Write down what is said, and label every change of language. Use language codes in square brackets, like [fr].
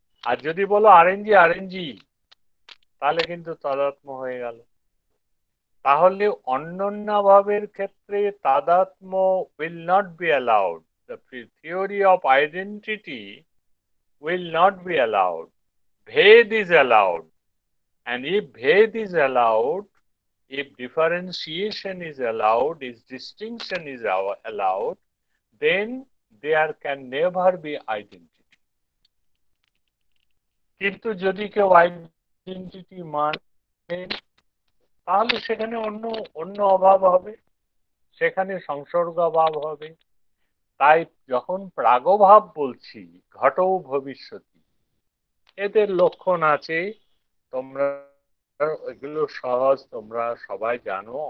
[bn] আর যদি বলো RNG RNG, তাহলে কিন্তু তাদাত্ম্য হয়ে গেল। তাহলে অন্যনাভাবের ক্ষেত্রে [en] তাদাত্ম্য will not be allowed, the theory of identity will not be allowed, ভেদ is allowed. And if ভেদ is allowed, if differentiation is allowed, if distinction is allowed, then there can never be identity. [bn] কিন্তু যদি কেউ identity মানে, তাহলে সেখানে অন্য অন্য অভাব হবে, সেখানে সংসর্গ অভাব হবে। তাই যখন প্রাগভাব বলছি [sa] ঘটো ভবিষ্যতি, [bn] এদের লক্ষণ আছে, তোমরা এগুলো সহজ, তোমরা সবাই জানো।